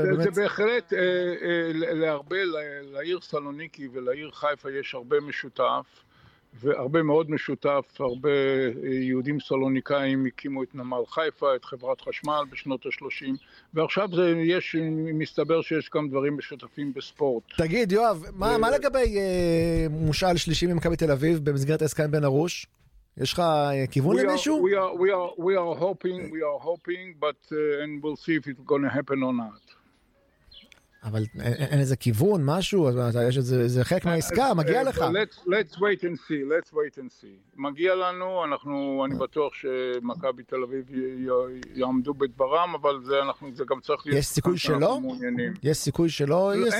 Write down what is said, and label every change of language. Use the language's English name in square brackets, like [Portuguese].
[Hebrew] זה, באמת... זה בהחלט, להרבה, לעיר סלוניקי ולעיר חיפה יש הרבה משותף, והרבה מאוד משותף, הרבה יהודים סלוניקאים הקימו את נמל חיפה, את חברת חשמל בשנות ה-30, ועכשיו זה יש, מסתבר שיש כמה דברים משותפים בספורט. תגיד, יואב, מה לגבי מושאל שלישי ממכבי תל אביב במסגרת אסקן בן ארוש? יש לך כיוון למישהו? [English] We are hoping, but and we'll see if it's going to happen or not. [Hebrew] אבל אין איזה כיוון, משהו, יש איזה חלק מהעסקה, מגיע לך. [English] Let's wait and see. [Hebrew] מגיע לנו, אני בטוח שמכבי תל אביב יעמדו בדברם, אבל זה גם צריך להיות... יש סיכוי שלא? יש סיכוי שלא?